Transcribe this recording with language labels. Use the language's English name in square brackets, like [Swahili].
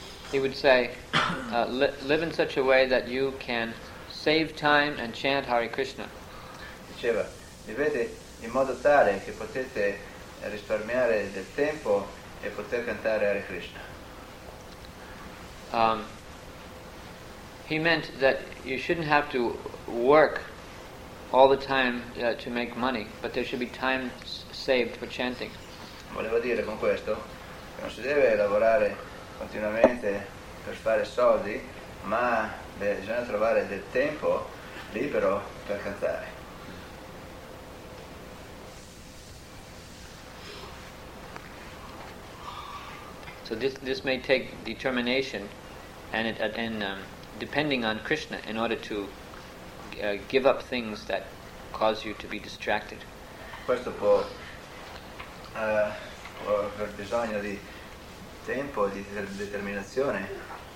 [English] He would say, live in such a way that you can save time and chant Hare Krishna. [Italian] Diceva, vivete in modo tale che potete risparmiare del tempo e poter cantare Hare Krishna. [English] He meant that you shouldn't have to work all the time to make money, but there should be time saved for chanting. [Italian] Voleva dire con questo che non si deve lavorare continuamente per fare soldi, ma bisogna trovare del tempo libero per cantare. [English] So this may take determination, and depending on Krishna, in order to give up things that cause you to be distracted. [Italian] Questo può aver bisogno di tempo di determinazione